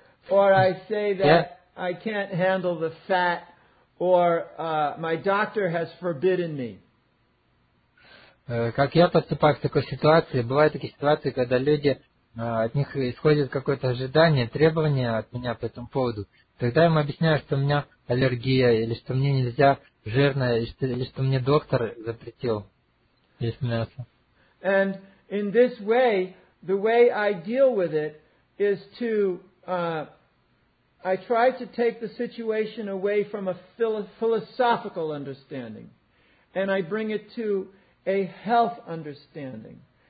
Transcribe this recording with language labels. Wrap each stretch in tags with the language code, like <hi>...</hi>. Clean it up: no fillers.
<en>or I say that I can't handle the fat, or my doctor has forbidden me.</en> <ru>Как я поступаю в такой ситуации? Бывают такие ситуации, когда люди, от них исходит какое-то ожидание, требование от меня по этому поводу. Тогда я им объясняю, что у меня аллергия, или что мне нельзя жирное, или что мне доктор запретил есть мясо.</ru> <en>And in this way, the way I deal with it is to, I try to take the situation away from a philosophical understanding, and I bring it to a health understanding.</en>